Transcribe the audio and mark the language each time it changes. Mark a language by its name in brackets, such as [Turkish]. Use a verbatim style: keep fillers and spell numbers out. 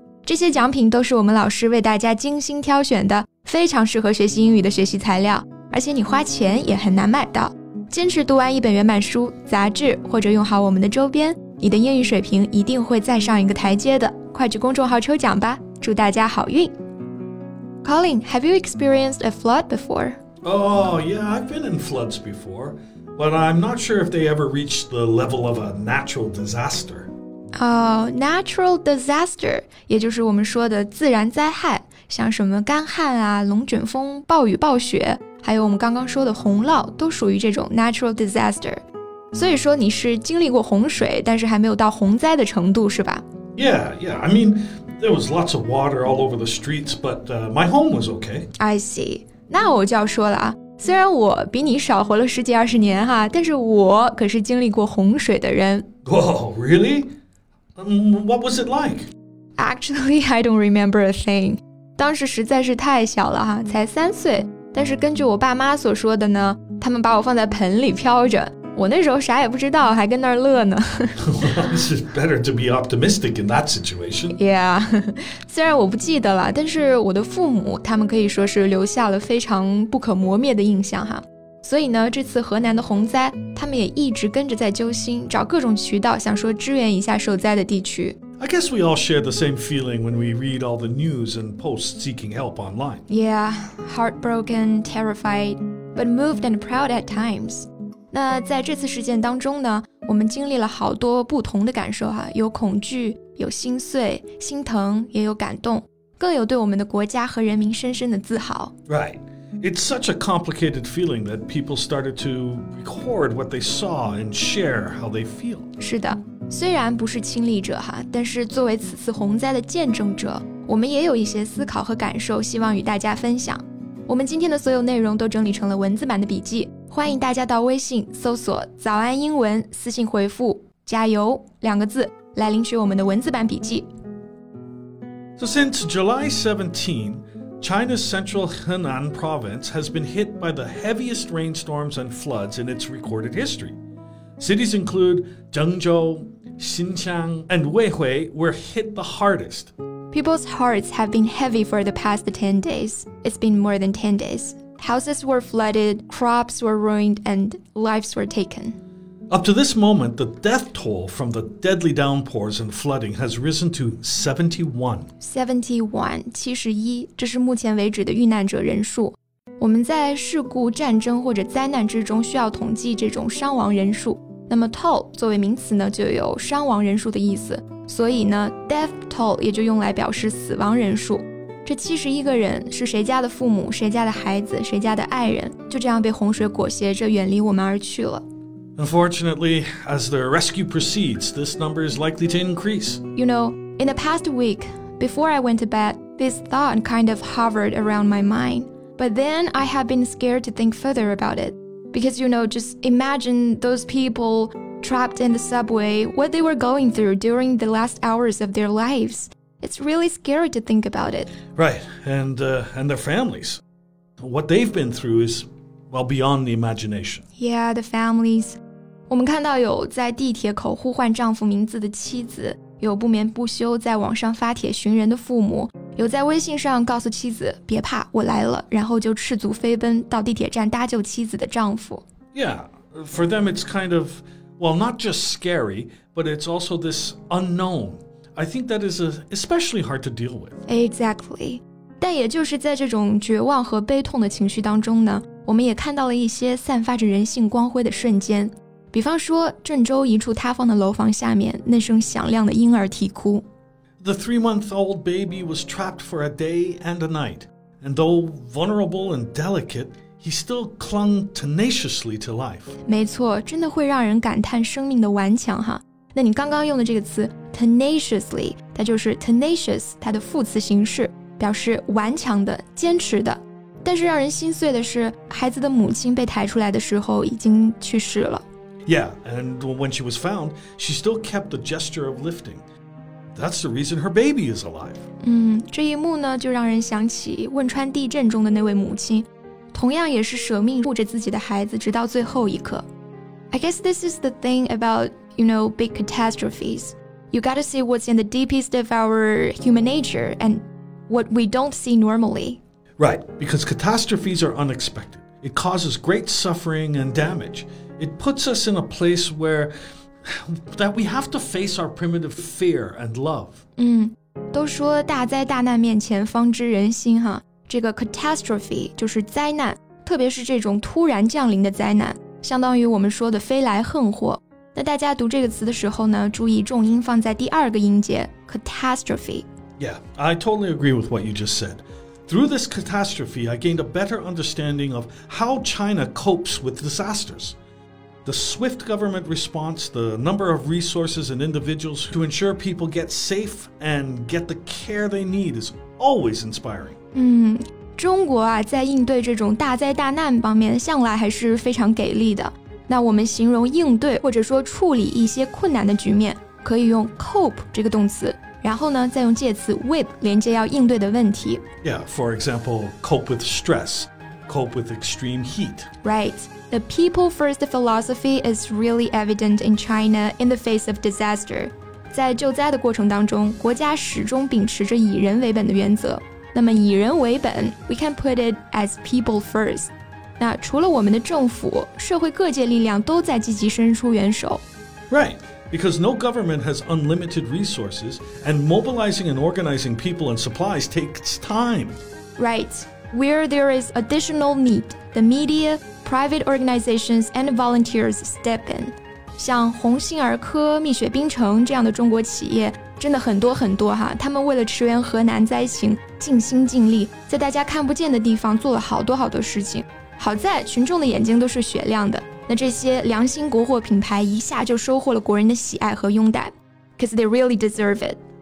[Chinese] 这些奖品都是我们老师为大家精心挑选的，非常适合学习英语的学习材料，而且你花钱也很难买到。坚持读完一本原版书、杂志，或者用好我们的周边，你的英语水平一定会再上一个台阶的。快去公众号抽奖吧，祝大家好运。 [English] Colin, have you experienced a flood before? Oh, yeah, I've been in floods before, but I'm not sure if they ever reach the level of a natural disaster. Oh, natural disaster, [Chinese] 也就是我们说的自然灾害，像什么干旱啊、龙卷风、暴雨、暴雪，还有我们刚刚说的洪涝，都属于这种 natural disaster。所以说你是经历过洪水，但是还没有到洪灾的程度，是吧？ [English] Yeah, yeah. I mean, there was lots of water all over the streets, but、uh, my home was okay. I see. [Chinese] 那我就要说了啊，虽然我比你少活了十几二十年哈，但是我可是经历过洪水的人。 [English] Oh, really? Um, what was it like? Actually, I don't remember a thing. [Chinese] 当时实在是太小了哈，才三岁。但是根据我爸妈所说的呢，他们把我放在盆里飘着，我那时候啥也不知道，还跟那儿乐呢。 [English] Well, it's better to be optimistic in that situation. Yeah. [Chinese] 虽然我不记得了，但是我的父母他们可以说是留下了非常不可磨灭的印象哈。所以呢，这次河南的洪灾，他们也一直跟着在揪心，找各种渠道想说支援一下受灾的地区。 [English] I guess we all share the same feeling when we read all the news and posts seeking help online. Yeah, heartbroken, terrified, but moved and proud at times. [Chinese] 那在这次事件当中呢，我们经历了好多不同的感受哈，有恐惧，有心碎、心疼，也有感动，更有对我们的国家和人民深深的自豪。 [English] Right. It's such a complicated feeling that people started to record what they saw and share how they feel. [Chinese] 是的，虽然不是亲历者哈，但是作为此次洪灾的见证者，我们也有一些思考和感受，希望与大家分享。我们今天的所有内容都整理成了文字版的笔记，欢迎大家到微信搜索“早安英文”，私信回复“加油”两个字来领取我们的文字版笔记。 [English] So since July seventeenth. China's central Henan province has been hit by the heaviest rainstorms and floods in its recorded history. Cities include Zhengzhou, Xinjiang, and Weihui were hit the hardest. People's hearts have been heavy for the past ten days. It's been more than ten days. Houses were flooded, crops were ruined, and lives were taken. Up to this moment, the death toll from the deadly downpours and flooding has risen to seventy-one. [Chinese] seventy-one, 这是目前为止的遇难者人数。我们在事故、战争或者灾难之中需要统计这种伤亡人数。那么 toll 作为名词呢，就有伤亡人数的意思。所以呢 death toll 也就用来表示死亡人数。这七十一个人是谁家的父母、谁家的孩子、谁家的爱人，就这样被洪水裹挟着远离我们而去了。 [English] Unfortunately, as the rescue proceeds, this number is likely to increase. You know, in the past week, before I went to bed, this thought kind of hovered around my mind. But then I have been scared to think further about it. Because, you know, just imagine those people trapped in the subway, what they were going through during the last hours of their lives. It's really scary to think about it. Right, and, uh, and their families. What they've been through is, well, beyond the imagination. Yeah, the families. [Chinese] 我们看到有在地铁口呼唤丈夫名字的妻子，有不眠不休在网上发帖寻人的父母，有在微信上告诉妻子别怕我来了，然后就赤足飞奔到地铁站搭救妻子的丈夫。 [English] Yeah, for them it's kind of, well, not just scary, but it's also this unknown. I think that is especially hard to deal with. Exactly. [Chinese] 但也就是在这种绝望和悲痛的情绪当中呢，我们也看到了一些散发着人性光辉的瞬间。比方说，郑州一处塌方的楼房下面，那声响亮的婴儿啼哭。 [English] The three-month-old baby was trapped for a day and a night, and though vulnerable and delicate, he still clung tenaciously to life. [Chinese] 没错，真的会让人感叹生命的顽强哈。那你刚刚用的这个词 tenaciously， 它就是 tenacious， 它的副词形式，表示顽强的、坚持的。但是让人心碎的是，孩子的母亲被抬出来的时候已经去世了。 [English] Yeah, and when she was found, she still kept the gesture of lifting. That's the reason her baby is alive. [Chinese] 嗯，这一幕呢，就让人想起汶川地震中的那位母亲，同样也是舍命护着自己的孩子，直到最后一刻。 [English] I guess this is the thing about, you know, big catastrophes. You gotta see what's in the deepest of our human nature and what we don't see normally. Right, because catastrophes are unexpected. It causes great suffering and damage. It puts us in a place where that we have to face our primitive fear and love. [Chinese] 嗯，都说大灾大难面前方知人心哈，这个 catastrophe 就是灾难，特别是这种突然降临的灾难。相当于我们说的飞来横祸。那大家读这个词的时候呢，注意重音放在第二个音节 catastrophe. [English] Yeah, I totally agree with what you just said. Through this catastrophe, I gained a better understanding of how China copes with disasters. The swift government response, the number of resources and individuals to ensure people get safe and get the care they need is always inspiring. [Chinese] 嗯。中国啊，在应对这种大灾大难方面向来还是非常给力的。那我们形容应对或者说处理一些困难的局面，可以用 cope 这个动词，然后呢再用介词 with 连接要应对的问题。 [English] Yeah, for example, cope with stress, cope with extreme heat. Right. The people-first philosophy is really evident in China in the face of disaster. [Chinese] 在救灾的过程当中，国家始终秉持着以人为本的原则。那么以人为本 [English] we can put it as people first. [Chinese] 那除了我们的政府，社会各界力量都在积极伸出援手。 [English] Right, because no government has unlimited resources, and mobilizing and organizing people and supplies takes time. Right, where there is additional need, the media, private organizations, and volunteers step in. [Chinese] 像鸿星尔科、蜜雪冰城这样的中国企业真的很多很多哈，他们为了驰援河南灾情尽心尽力，在大家看不见的地方做了好多好多事情。好在群众的眼睛都是雪亮的，那这些良心国货品牌一下就收获了国人的喜爱和拥戴 [English] because they really deserve it.